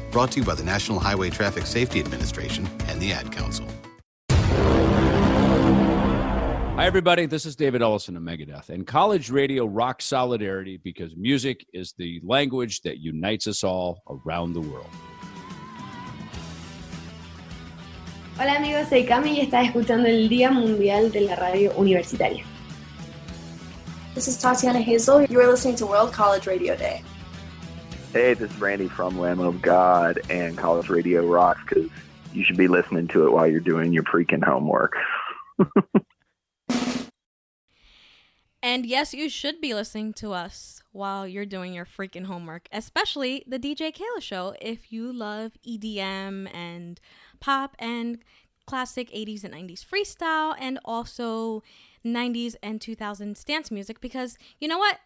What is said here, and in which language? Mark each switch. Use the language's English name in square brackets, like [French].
[English] Brought to you by the National Highway Traffic Safety Administration and the Ad Council. Hi, everybody. This is David Ellison of Megadeth. And College Radio rocks solidarity because music is the language that unites us all around the world. [Spanish] Hola, amigos. Soy Cami y estás escuchando el Día Mundial de la Radio Universitaria. [English] This is Tatiana Hazel. You are listening to World College Radio Day. Hey, this is Randy from Lamb of God, and College Radio rocks because you should be listening to it while you're doing your freaking homework. And yes, you should be listening to us while you're doing your freaking homework, especially the DJ Keila Show, if you love EDM and pop and classic 80s and 90s freestyle and also 90s and 2000s dance music, because you know what?